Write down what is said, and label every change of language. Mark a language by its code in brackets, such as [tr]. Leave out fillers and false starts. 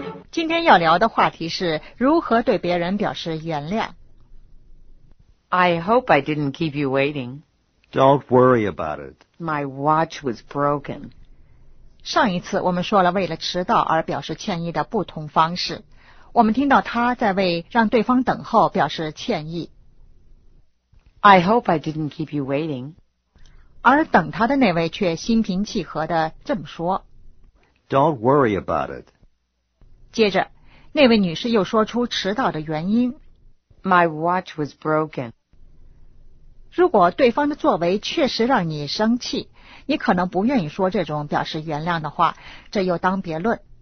[zh] 今天要聊的话题是如何对别人表示原谅。 [en] I hope I didn't keep you waiting. Don't worry about it. My watch was broken. [zh] 上一次我们说了为了迟到而表示歉意的不同方式。我们听到他在为让对方等候表示歉意。 [en] I hope I didn't keep you waiting. [zh] 而等他的那位却心平气和地这么说。 [en] Don't worry about it. [zh] 接着，那位女士又说出迟到的原因。 [en] My watch was broken. [zh] 如果对方的作为确实让你生气，你可能不愿意说这种表示原谅的话，这又当别论。